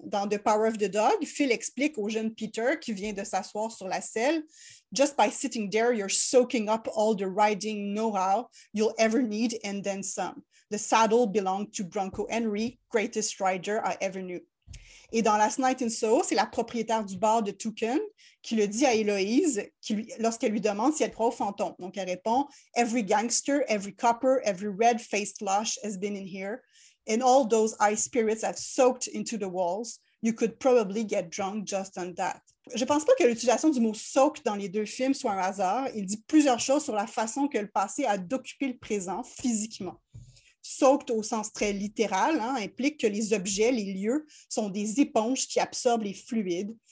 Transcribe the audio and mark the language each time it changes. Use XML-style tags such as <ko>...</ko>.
<fr>Dans The Power of the Dog, Phil explique au jeune Peter qui vient de s'asseoir sur la selle,</fr> <en>« Just by sitting there, you're soaking up all the riding know-how you'll ever need and then some. The saddle belonged to Bronco Henry, greatest rider I ever knew. »</en> <fr>Et dans Last Night in Soho, c'est la propriétaire du bar de Toucan qui le dit à Héloïse lorsqu'elle lui demande si elle croit aux fantômes. Donc, elle répond</fr> <en>« Every gangster, every copper, every red-faced lush has been in here. And all those high spirits have soaked into the walls. You could probably get drunk just on that.</en> <fr>» Je ne pense pas que l'utilisation du mot « soak » dans les deux films soit un hasard. Il dit plusieurs choses sur la façon que le passé a d'occuper le présent physiquement. Soaked au sens très littéral, hein, implique que les objets, les lieux, sont des éponges qui absorbent les fluides.</fr>